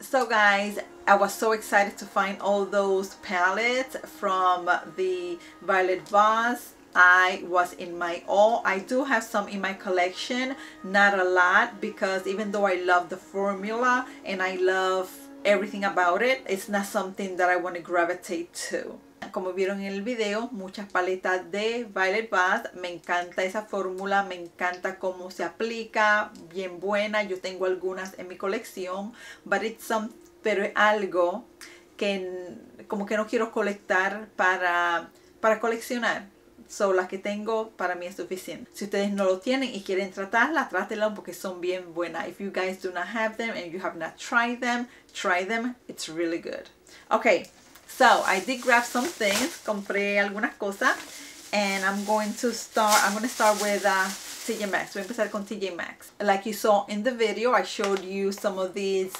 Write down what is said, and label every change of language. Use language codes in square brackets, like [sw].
[en] So, guys, I was so excited to find all those palettes from the Violet Voss. I was in my awe. I do have some in my collection, not a lot, because even though I love the formula and I love everything about it, it's not something that I want to gravitate to. [es] Como vieron en el video, muchas paletas de Violet Voss. Me encanta esa fórmula, me encanta cómo se aplica, bien buena. Yo tengo algunas en mi colección, pero es algo que como que no quiero colectar para coleccionar. [en] So, [es] las que tengo para mí es suficiente. Si ustedes no lo tienen y quieren tratarlas, trátelas porque son bien buenas. [en] If you guys do not have them and you have not tried them, try them. It's really good. Okay, so I did grab some things. [es] Compré algunas cosas. [en] And I'm going to start with TJ Maxx. [es] Voy a empezar con TJ Maxx. [en] Like you saw in the video, I showed you some of these.